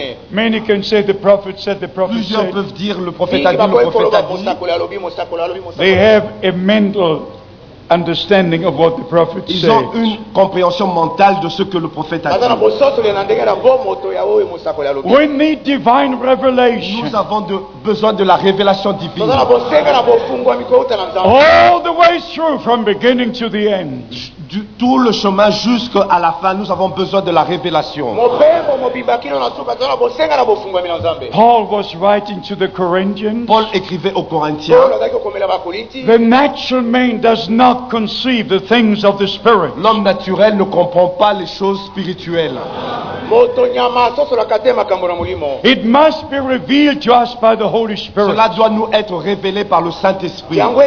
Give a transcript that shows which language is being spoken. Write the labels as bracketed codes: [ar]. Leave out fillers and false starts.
[en] Many can say the prophet said the prophet said. [fr] Plusieurs peuvent dire le prophète a dit le prophète a dit. [en] They have a mental understanding of what the prophet said. [fr] Ils ont une compréhension mentale de ce que le prophète a dit. [en] We need divine revelation. [fr] Nous avons besoin de la révélation divine. [en] All the way through from beginning to the end. [fr] Tout le chemin jusqu'à la fin, nous avons besoin de la révélation. [en] Paul was writing to the Corinthians. [fr] Paul écrivait aux Corinthiens. [en] The natural man does not conceive the things of the spirit. [fr] L'homme naturel ne comprend pas les choses spirituelles. [en] It must be revealed to us by the Holy Spirit. [fr] Cela doit nous être révélé par le Saint-Esprit.